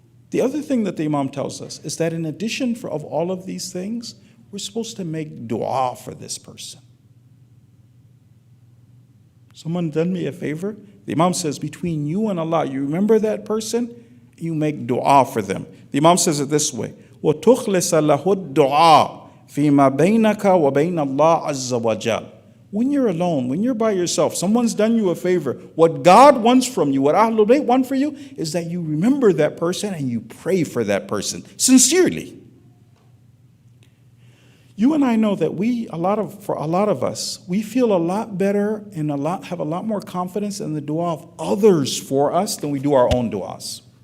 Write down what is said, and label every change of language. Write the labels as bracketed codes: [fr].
[en] The other thing that the Imam tells us is that in addition of all of these things, we're supposed to make dua for this person. Someone done me a favor. The Imam says, between you and Allah, you remember that person, you make dua for them. The Imam says it this way, [ar] وَتُخْلِسَ لَهُ الدُّعَى فِيمَا بَيْنَكَ وَبَيْنَ اللَّهِ عَزَّ وَجَلَّ. [en] When you're alone, when you're by yourself, someone's done you a favor, what God wants from you, what Ahlul Bayt want for you, is that you remember that person and you pray for that person, sincerely. You and I know that for a lot of us, we feel a lot better and have a lot more confidence in the dua of others for us than we do our own duas.